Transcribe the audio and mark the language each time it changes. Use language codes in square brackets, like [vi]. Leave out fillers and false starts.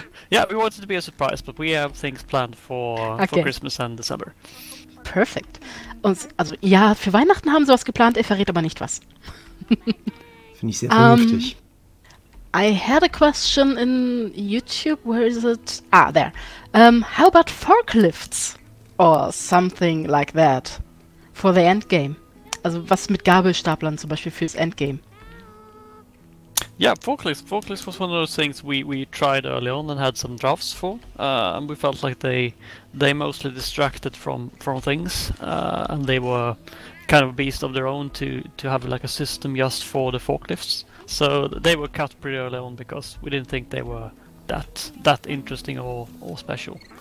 [en] Yeah, we wanted to be a surprise, but we have things planned for Christmas and December. Perfect. [de] Und, also, ja, für Weihnachten haben sie was geplant, er verrät aber nicht was. Finde ich sehr vernünftig. [en] I had a question in YouTube. Where is it? Ah, there. How about forklifts? Or something like that for the endgame. [de] Also was mit Gabelstaplern zum Beispiel fürs Endgame? [en] Yeah, forklifts. Forklifts was one of those things we tried early on and had some drafts for, and we felt like they mostly distracted from things, and they were kind of a beast of their own to have like a system just for the forklifts. So they were cut pretty early on because we didn't think they were that interesting or special.